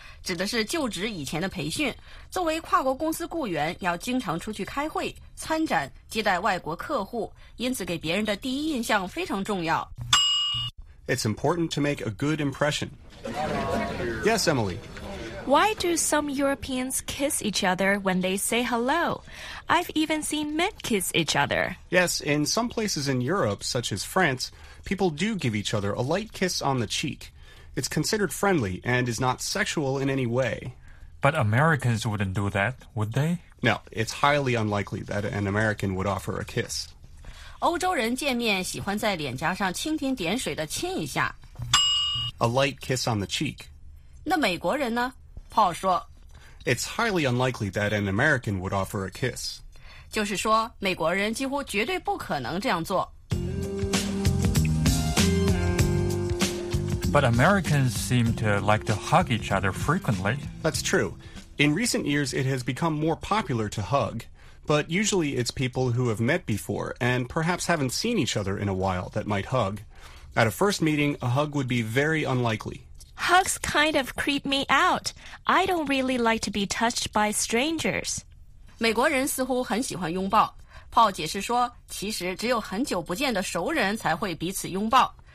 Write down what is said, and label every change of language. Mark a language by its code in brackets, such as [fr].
[zh] 指的是就职以前的培训。作为跨国公司雇员要经常出去开会。参展接待外国客户，因此给别人的第一印象非常重要。 [en] It's important to make a good impression. Yes, Emily. Why do some Europeans kiss each other when they say hello? I've even seen men kiss each other. Yes, in some places in Europe, such as France, people do give each other a light kiss on the cheek. It's considered friendly and is not sexual in any way. But Americans wouldn't do that, would they? No, it's highly unlikely that an American would offer a kiss. [zh] 欧洲人见面喜欢在脸颊上蜻蜓点水地亲一下。 [en] A light kiss on the cheek. [zh] 那美国人呢？Paul 说。 [en] It's highly unlikely that an American would offer a kiss. [zh] 就是说，美国人几乎绝对不可能这样做。 [en] But Americans seem to like to hug each other frequently. That's true. In recent years, it has become more popular to hug. But usually it's people who have met before and perhaps haven't seen each other in a while that might hug. At a first meeting, a hug would be very unlikely. Hugs kind of creep me out. I don't really like to be touched by strangers. [zh] 美国人似乎很喜欢拥抱。Paul 解释说，其实只有很久不见的熟人才会彼此拥抱。